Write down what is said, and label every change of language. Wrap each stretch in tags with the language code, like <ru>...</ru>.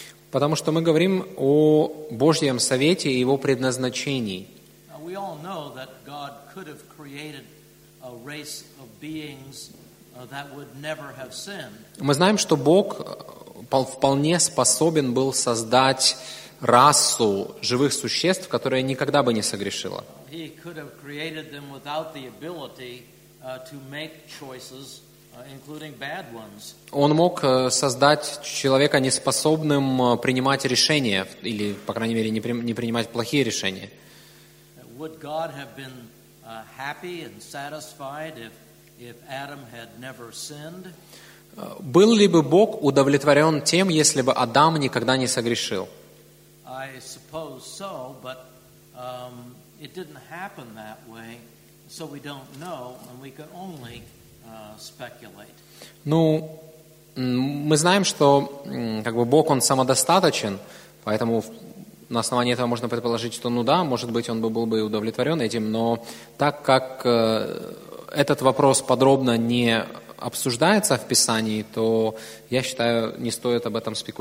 <ru>Потому что мы говорим о Божьем совете и его предназначении.</ru> <en>We all know that God could have created a race of beings that would never have sinned.</en> <ru>Мы знаем, что Бог вполне способен был создать расу живых существ, которая никогда бы не согрешила.</ru> <en>He could have created them without the ability to make choices, including bad ones.</en> <ru>Он мог создать человека, неспособным принимать решения, или, по крайней мере, не принимать плохие решения.</ru> <en>Would God have been happy and satisfied if Adam had never sinned?</en> <ru>Был ли бы Бог удовлетворен тем, если бы Адам никогда не согрешил?</ru> <en>I suppose so, but it didn't happen that way, so we don't know, and we can only speculate.</en> <ru>Ну, мы знаем, что как бы Бог, он самодостаточен, поэтому на основании этого можно предположить, что, ну да, может быть, он бы был бы удовлетворен этим, но так как этот вопрос подробно не обсуждается в Писании, то я считаю, не стоит об этом</ru>